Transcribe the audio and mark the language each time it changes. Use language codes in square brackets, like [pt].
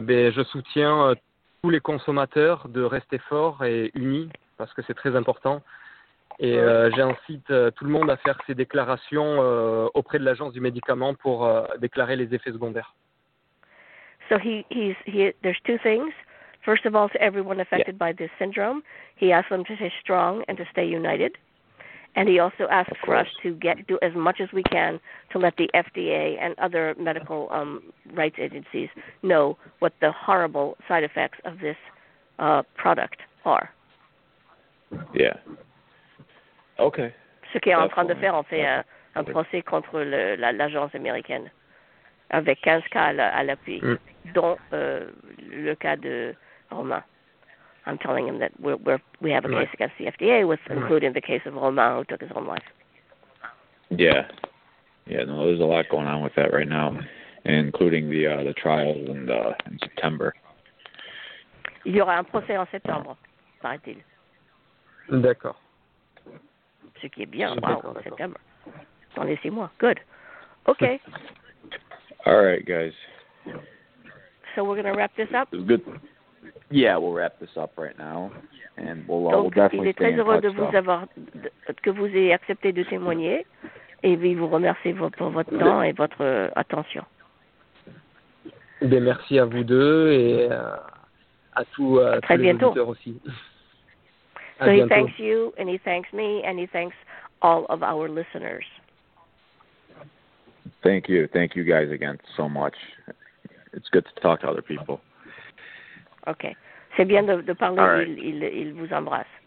[fr] Ben, je soutiens tous les consommateurs de rester forts et unis, parce que c'est très important. Et j'incite tout le monde à faire ses déclarations auprès de l'agence du médicament pour déclarer les effets secondaires. [en] So there's two things. First of all, to everyone affected by this syndrome, he asks them to stay strong and to stay united. And he also asked for us to do as much as we can to let the FDA and other medical rights agencies know what the horrible side effects of this product are. Yeah. Okay. [fr] Ce qui est en train de faire, on fait un procès contre l'agence américaine avec 15 cas à l'appui, dont le cas de Romain. [en] I'm telling him that we have a case against the FDA, with including the case of Romain, who took his own life. Yeah. Yeah, no, there's a lot going on with that right now, including the trials in September. [fr] Il y aura un procès en septembre, paraît-il. D'accord. Ce qui est bien, wow, en septembre. sans laisser moi. [en] Good. Okay. All right, guys. So we're going to wrap this up? Good. Yeah, we'll wrap this up right now. And we'll, [fr] donc, [en] we'll definitely [fr] il est très heureux de vous avoir, que vous ayez accepté de témoigner. Et puis, vous remercie pour votre temps et votre attention. Bien, merci à vous deux et à tous les auditeurs aussi. [en] So he thanks you, and he thanks me, and he thanks all of our listeners. Thank you. Thank you guys again so much. It's good to talk to other people. [fr] Okay. C'est bien de parler. Right. Il vous embrasse.